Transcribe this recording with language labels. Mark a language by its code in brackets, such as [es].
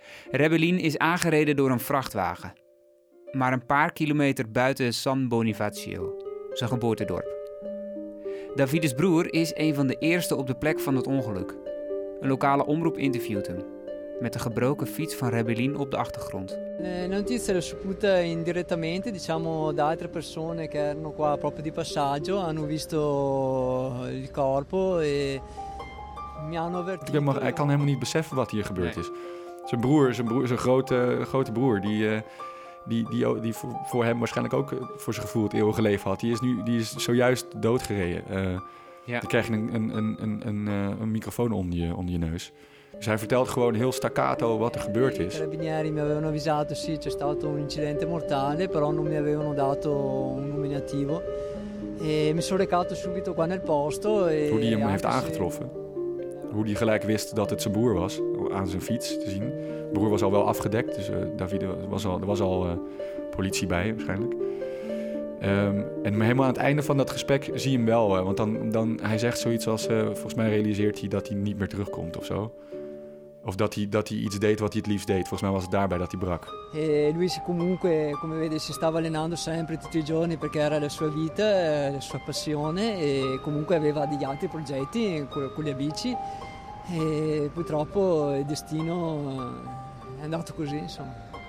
[nl] Rebellin is aangereden door een vrachtwagen. Maar een paar kilometer buiten San Bonifacio, zijn geboortedorp. Davide's broer is een van de eerste op de plek van het ongeluk. Een lokale omroep interviewt hem. Met de gebroken fiets van Rebellin op de achtergrond. [it] Notizie è saputa indirettamente, diciamo, da altre persone che erano qua proprio di passaggio, hanno visto il corpo e mi hanno avvertito. [nl] Hij kan helemaal niet beseffen wat hier gebeurd is. Zijn grote broer die voor hem waarschijnlijk ook voor zijn gevoel het eeuwige leven had. Die is zojuist doodgereden. Dan krijg je een microfoon onder je neus. Dus hij vertelt gewoon heel staccato wat er gebeurd is. [it] De carabinieri mi avevano avvisato, sì, c'è stato un incidente mortale, però non mi avevano dato un nominativo. E mi sono recato subito qua nel posto. [nl] Hoe die hem heeft aangetroffen. Hoe die gelijk wist dat het zijn broer was, aan zijn fiets te zien. De broer was al wel afgedekt, dus Davide was al politie bij waarschijnlijk. En helemaal aan het einde van dat gesprek zie je hem wel. Want dan hij zegt zoiets als, volgens mij realiseert hij dat hij niet meer terugkomt of zo. Of dat hij iets deed wat hij het liefst deed. Volgens mij was het daarbij dat hij brak. [it] Lui si comunque, come vede, si stava allenando sempre tutti i giorni perché era la sua vita, la sua passione e comunque aveva degli altri progetti con gli amici. E purtroppo il destino è andato così, insomma.